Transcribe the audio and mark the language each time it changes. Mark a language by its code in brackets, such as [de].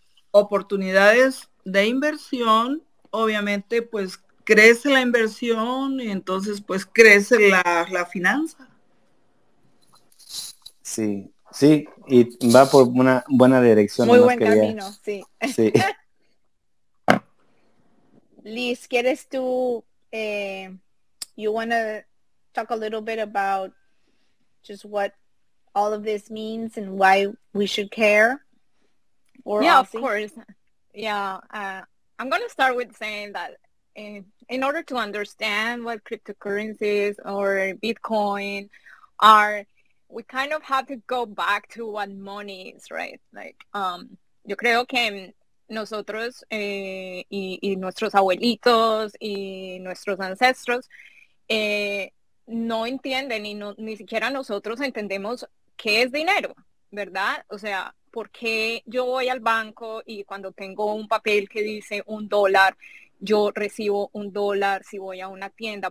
[es] Oportunidades de inversión, obviamente, pues crece la inversión y entonces pues crece la finanza. Sí, sí, y va por una buena dirección. Muy buen camino, sí. [en] Liz, [es] ¿quieres tú, [en] you wanna talk a little bit about just what all of this means and why we should care? Yeah, of course. Yeah, I'm gonna start with saying that in order to understand what cryptocurrencies or Bitcoin are, we kind of have to go back to what money is, right? [es] Like, yo creo que nosotros y nuestros abuelitos y nuestros ancestros no entienden y ni siquiera nosotros entendemos qué es dinero, ¿verdad? O sea, ¿por qué yo voy al banco y cuando tengo un papel que dice un dólar, yo recibo un dólar si voy a una tienda?